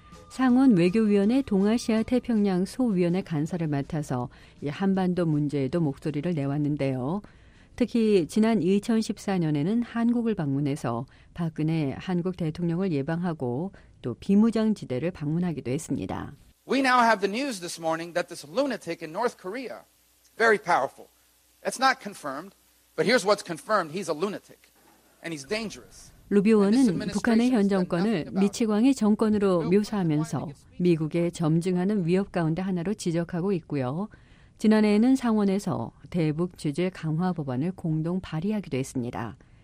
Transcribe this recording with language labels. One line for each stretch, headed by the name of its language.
Korean: 상원 외교위원회 동아시아 태평양 소위원회 간사를 맡아서 이 한반도 문제에도 목소리를 내왔는데요. 특히 지난 2014년에는 한국을 방문해서 박근혜 한국 대통령을 예방하고 또 비무장지대를 방문하기도 했습니다.
English: We now have the news this morning that this lunatic in North Korea, very powerful. It's not confirmed, but here's what's confirmed. He's a lunatic and he's dangerous.
Korean: 루비오는 북한의 현 정권을 미치광이 정권으로 묘사하면서 미국의 점증하는 위협 가운데 하나로 지적하고 있고요. 지난해에는 상원에서 대북 제재 강화 법안을 공동 발의하기도 했습니다.